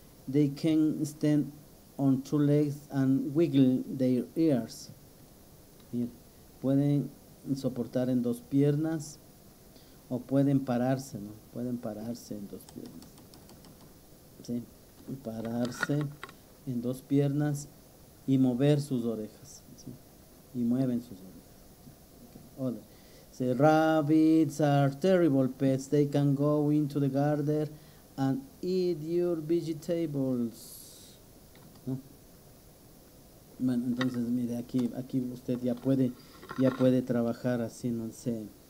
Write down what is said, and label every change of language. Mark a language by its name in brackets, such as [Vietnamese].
[English] They can stand on two legs and wiggle their ears. [Spanish] Bien. Pueden soportar en dos piernas o pueden pararse, ¿no? Pueden pararse en dos piernas. Sí. Pararse en dos piernas y mover sus orejas, ¿sí? Y mueven sus orejas. [English] Okay. So, rabbits are terrible pets. They can go into the garden and eat your vegetables, ¿no? [Spanish] Bueno, entonces mire, aquí usted ya puede trabajar así, no sé.